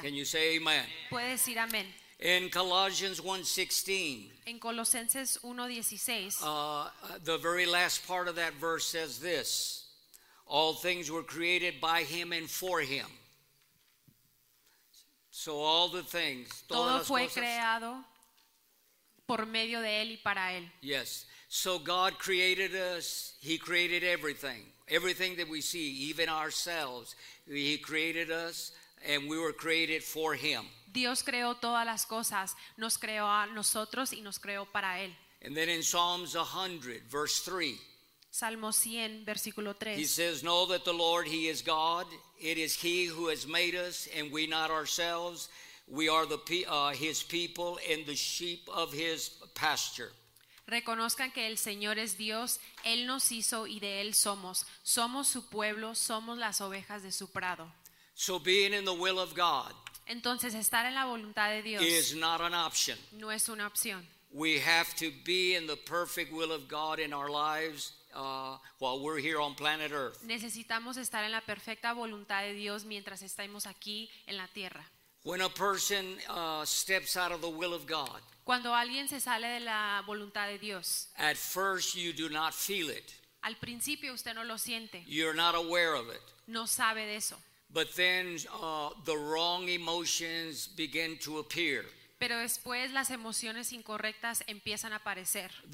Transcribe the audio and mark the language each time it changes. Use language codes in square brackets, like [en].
[en] Can you say amen? [es] Puede decir amén. [en] In Colossians 1:16. [es] En Colosenses 1:16. [en] The very last part of that verse says this: all things were created by him and for him. So all the things. [es] Todo fue creado por medio de él y para él. [en] Yes. So God created us. He created everything. Everything that we see, even ourselves, he created us and we were created for him. [es] Dios creó todas las cosas, nos creó a nosotros y nos creó para él. [en] And then in Psalms 100, verse 3. [es] Salmo 100, versículo 3. [en] He says, "Know that the Lord, he is God. It is he who has made us and we not ourselves. We are the his people and the sheep of his pasture." [es] Reconozcan que el Señor es Dios, él nos hizo y de él somos. Somos su pueblo, somos las ovejas de su prado. [en] So being in the will of God, [es] entonces estar en la voluntad de Dios, [en] is not an option. [es] No es una opción. [en] We have to be in the perfect will of God in our lives while we're here on planet Earth. [es] Necesitamos estar en la perfecta voluntad de Dios mientras estemos aquí en la tierra. [en] When a person steps out of the will of God, [es] cuando alguien se sale de la voluntad de Dios, [en] at first you do not feel it. [es] Al principio usted no lo siente. [en] You're not aware of it. [es] No sabe de eso. [en] But then the wrong emotions begin to appear. [es] Pero después las emociones incorrectas empiezan a aparecer.